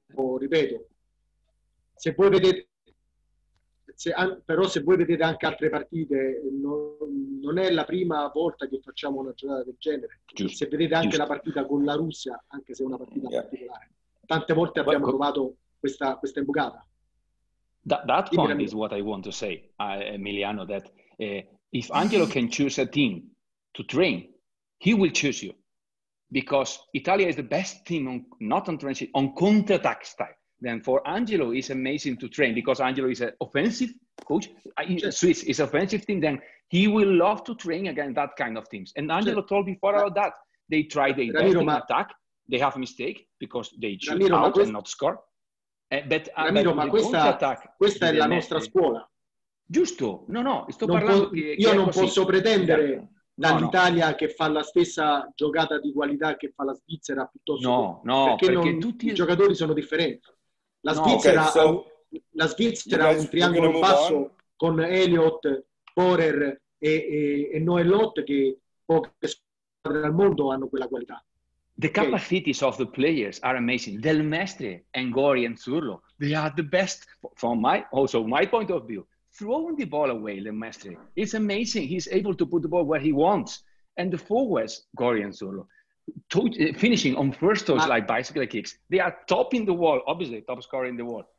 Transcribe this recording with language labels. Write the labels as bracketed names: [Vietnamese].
[Italian] ripeto, se voi vedete se voi vedete anche altre partite, non è la prima volta che facciamo una giocata del genere. Giusto. Se vedete anche la partita con la Russia, anche se è una partita particolare, tante volte abbiamo provato questa imbucata. [English] That point is what I want to say, Emiliano, that if Angelo can choose a team to train, he will choose you. Because Italia is the best team, on counter-attack style. Then for Angelo, it's amazing to train, because Angelo is an offensive coach. Swiss is an offensive team. Then he will love to train against that kind of teams. And Angelo told before about that. They try the attack. They have a mistake because they shoot out and not score. [Italian] Ramiro, ma questa è la nostra scuola. Giusto, no, sto non parlando. Io non posso pretendere dall'Italia che fa la stessa giocata di qualità che fa la Svizzera piuttosto. No, perché tutti i giocatori sono differenti. La Svizzera, la Svizzera ha un triangolo basso con Elliott, Borer e Noel Ott, che poche squadre al mondo hanno quella qualità. [English] The capacities of the players are amazing. Del Mestre, Engori and Zurlo, they are the best from my point of view. Throwing the ball away, Del Mestre, it's amazing. He's able to put the ball where he wants. And the forwards, Gori and Zurlo, finishing on first toes like bicycle kicks, they are top in the world, obviously top scorer in the world.